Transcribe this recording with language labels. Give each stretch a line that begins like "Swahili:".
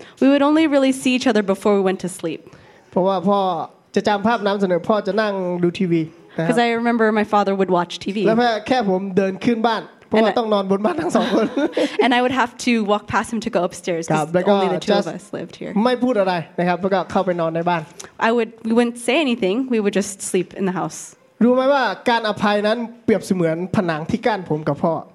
English: ๆ We would only really see each other before we went to sleep.
Thai: เพราะว่าพ่อจะจำภาพน้ำเสนอพ่อจะนั่งดูทีวี
English: Because I remember my father would watch TV.
Thai: แล้วแค่ผมเดินขึ้นบ้านเพราะว่าต้องนอนบนบ้านทั้งสองคน
English: And I would have to walk past him to go upstairs because only the two of us lived here.
Thai: ไม่พูดอะไรนะครับแล้วก็เข้าไปนอนในบ้าน
English: We wouldn't say anything. We would just sleep in the house.
Thai: รู้ไหมว่าการอภัยนั้นเปรียบเสมือนผนังที่กั้นผมกับพ่อ